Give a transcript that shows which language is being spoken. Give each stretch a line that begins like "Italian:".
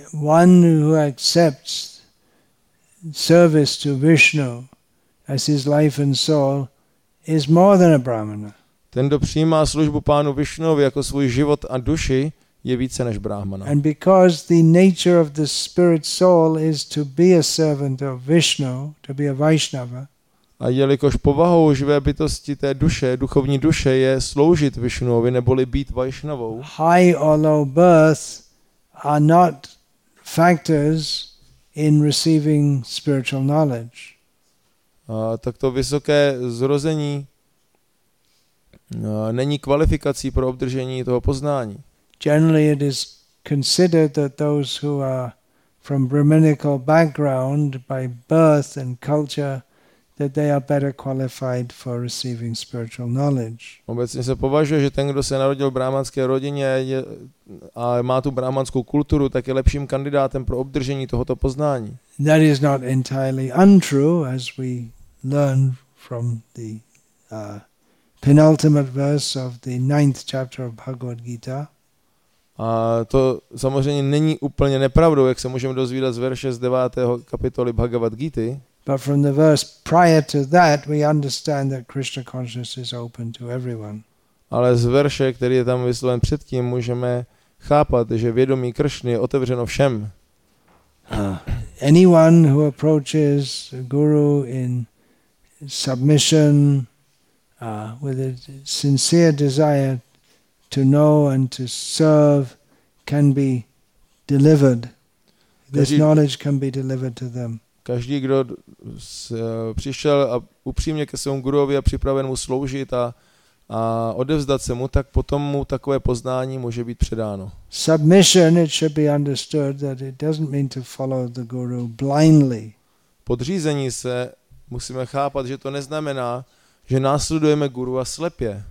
English: One who accepts service to Vishnu as his life and soul is more than a brahmana.
Czech: Ten, kdo přijímá službu pánu Vishnovi jako svůj život a duši, je více než brahmana.
English: And because the nature of the spirit soul is to be a servant of Vishnu, to be a Vaishnava.
Czech: A jelikož povahou živé bytosti té duše, duchovní duše, je sloužit Vishnovi neboli být Vaishnavou.
English: High or low birth are not factors in receiving spiritual knowledge.
Czech: Tak to vysoké zrození není kvalifikací pro obdržení toho poznání.
English: Generally it is considered that those who are from brahminical background by birth and culture, that they are better qualified for receiving spiritual knowledge.
Czech: Obecně se považuje, že ten, kdo se narodil v brahmanské rodině a má tu brahmanskou kulturu, tak je lepším kandidátem pro obdržení tohoto poznání.
English: That is not entirely untrue, as we learn from the penultimate verse of the ninth chapter of Bhagavad Gita.
Czech: A to samozřejmě není úplně nepravdou, jak se můžeme dozvídat z verše z 9. kapitoly Bhagavad Gita.
English: But from the verse prior to that, we understand that Krishna consciousness is open to everyone.
Czech: Ale z verše, který je tam vysloven předtím, můžeme chápat, že vědomí Krishny je otevřeno všem.
English: Anyone who approaches a guru in submission with a sincere desire to know and to serve can be delivered. This knowledge can be delivered to them.
Czech: Každý, kdo přišel a upřímně ke svému guruovi a připraven mu sloužit a a odevzdat se mu, tak potom mu takové poznání může být předáno.
English: Submission, it should be understood that it doesn't mean to follow the guru blindly.
Czech: Podřízení se musíme chápat, že to neznamená, že následujeme guru a slepě.